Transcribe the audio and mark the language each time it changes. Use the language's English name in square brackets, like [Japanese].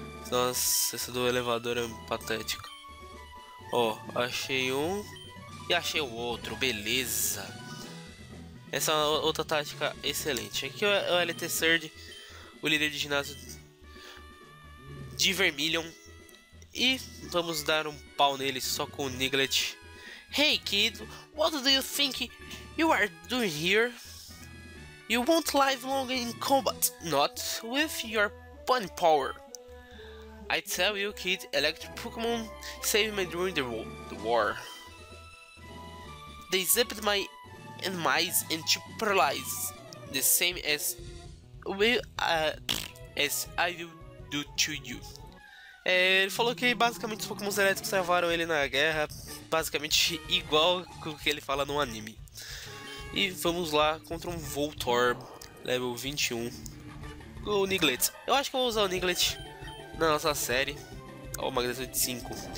[Portuguese] Nossa, esse do elevador é patético. Ó, achei um e achei o outro, beleza. Essa é uma outra tática excelente. Aqui é o LT Surd, o líder de ginásio de Vermilion. E vamos dar um pau nele só com o Niglett. [English] Hey kid, what do you think you are doing here? You won't live long in combat, not with your pun power. I tell you, kid, electric Pokemon saved me during the war. They zipped my enemies and to paralyze, the same as I will do to you. [Portuguese] Ele falou que basicamente os Pokémons elétricos salvaram ele na guerra, basicamente igual com o que ele fala no anime. E vamos lá contra um Voltorb, level 21, com o Niglett. Eu acho que vou usar o Niglett na nossa série. Ó, uma magnitude de 5.